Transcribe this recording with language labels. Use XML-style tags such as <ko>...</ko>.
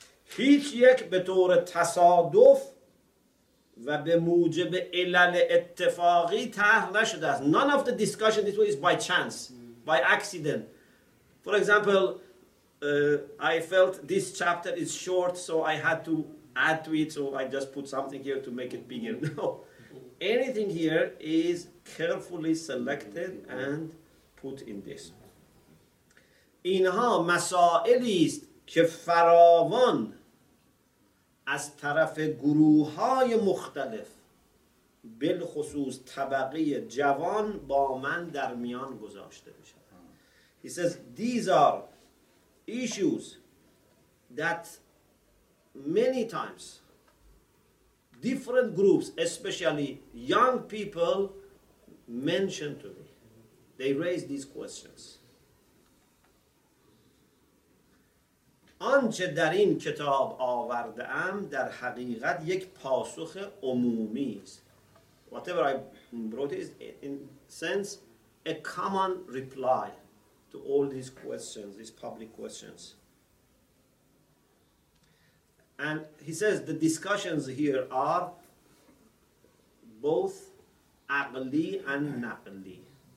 <fa>هیچ یک به طور تصادف و به موجب علل اتفاقی طرح نشده است.</fa> <en>None of the discussion this way is by chance, by accident. For example, I felt this chapter is short, so I had to add to it, so I just put something here to make it bigger. No. Anything here is carefully selected and put in this.</en> <fa>اینها مسائلی است که فراوان از طرف گروه‌های مختلف بالخصوص طبقه جوان با من در میان گذاشته می‌شود.</fa> <en>He says these are issues that many times different groups, especially young people, mention to me. They raise these questions.</en> <fa>آنچه در این کتاب آورده ام در حقیقت یک پاسخ عمومی است.</fa> <en>Whatever I brought is in sense a common reply to all these questions, these public questions. And he says the discussions here are both عقلی and نقلی.</en>